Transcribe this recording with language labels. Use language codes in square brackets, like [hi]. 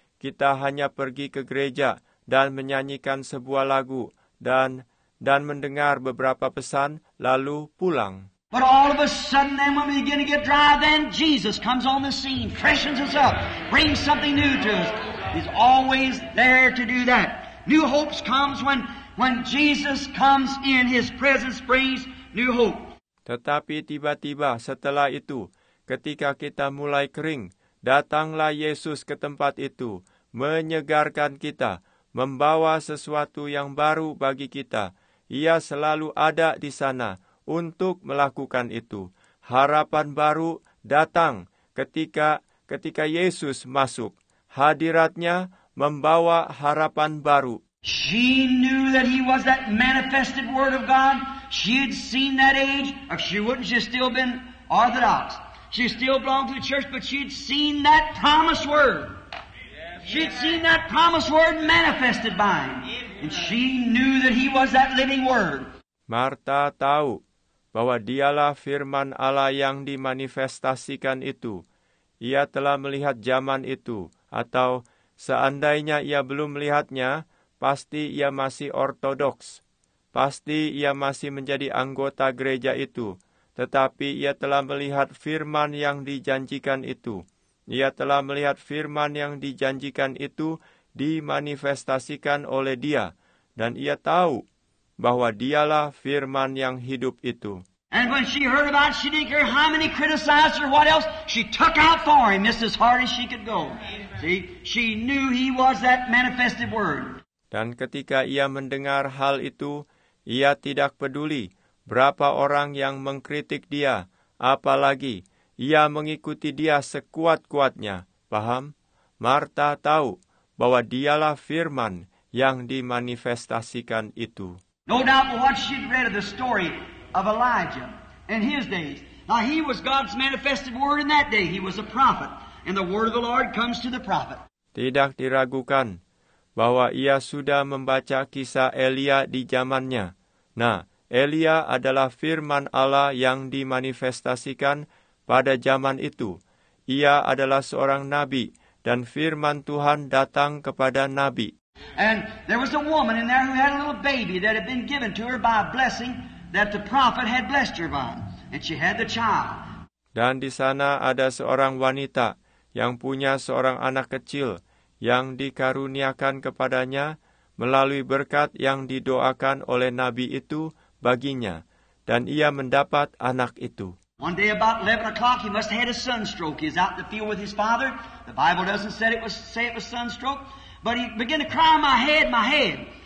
[id] kita hanya pergi ke gereja dan menyanyikan sebuah lagu dan mendengar beberapa pesan lalu pulang. [en] But all of a sudden then when we begin to get dry, then Jesus comes on the scene, freshens us up, brings something new to us. He's always there to do that. New hopes comes when Jesus comes in, his presence brings new hope. [id] Tetapi tiba-tiba setelah itu, ketika kita mulai kering, datanglah Yesus ke tempat itu, menyegarkan kita, membawa sesuatu yang baru bagi kita. Ia selalu ada di sana untuk melakukan itu. Harapan baru datang ketika Yesus masuk. Hadiratnya membawa harapan baru. [en] She knew that he was that manifested word of God. She had seen that age. If she wouldn't, she'd still been Orthodox. She still belonged to the church, but she'd seen that promise word. She'd seen that promise word manifested by him. And she knew that he was that living word. [id] Martha tahu bahwa dialah firman Allah yang dimanifestasikan itu. Ia telah melihat zaman itu, atau seandainya ia belum melihatnya, pasti ia masih ortodoks. Pasti ia masih menjadi anggota gereja itu. Tetapi ia telah melihat firman yang dijanjikan itu. Ia telah melihat firman yang dijanjikan itu dimanifestasikan oleh dia. Dan ia tahu bahwa dialah firman yang hidup itu. [en] And when she heard about it, she didn't care how many criticized her, what else, she took out for him just as hard as she could go. See, she knew he was that manifested word. [id] Dan ketika ia mendengar hal itu, ia tidak peduli berapa orang yang mengkritik dia, apalagi ia mengikuti dia sekuat-kuatnya. Paham? Martha tahu bahwa dialah firman yang dimanifestasikan itu. [en] No doubt but what she'd read of the story of Elijah in his days. Now he was God's manifested word in that day. He was a prophet. And the word of the Lord comes to the prophet. [id] Tidak diragukan bahwa ia sudah membaca kisah Elia di zamannya. Nah, Elia adalah firman Allah yang dimanifestasikan pada zaman itu. Ia adalah seorang nabi, dan firman Tuhan datang kepada nabi. [en] And there was a woman in there who had a little baby that had been given to her by a blessing that the prophet had blessed her by. And she had the child. [id] Dan di sana ada seorang wanita yang punya seorang anak kecil yang dikaruniakan kepadanya melalui berkat yang didoakan oleh nabi itu baginya. Dan ia mendapat anak itu. [en] One day about 11 o'clock, he must have had a sunstroke. He's out in the field with his father. The Bible doesn't say it was sunstroke. But he began to cry, my head, my head.